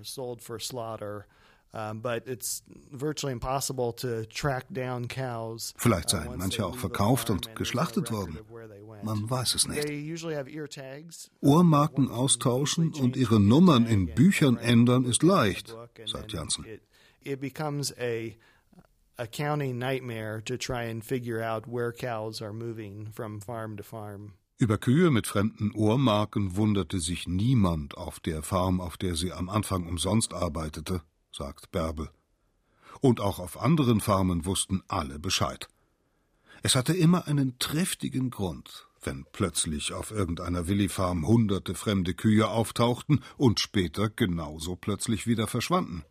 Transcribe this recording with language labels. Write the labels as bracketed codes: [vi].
[de] Vielleicht seien manche auch verkauft und geschlachtet worden. Man weiß es nicht. Ohrmarken austauschen und ihre Nummern in Büchern ändern ist leicht, sagt Janssen. [en] It becomes a county nightmare to try and figure out where cows are moving from farm to farm. [de] Über Kühe mit fremden Ohrmarken wunderte sich niemand auf der Farm, auf der sie am Anfang umsonst arbeitete, sagt Bärbel. Und auch auf anderen Farmen wussten alle Bescheid. Es hatte immer einen triftigen Grund, wenn plötzlich auf irgendeiner Willi-Farm hunderte fremde Kühe auftauchten und später genauso plötzlich wieder verschwanden.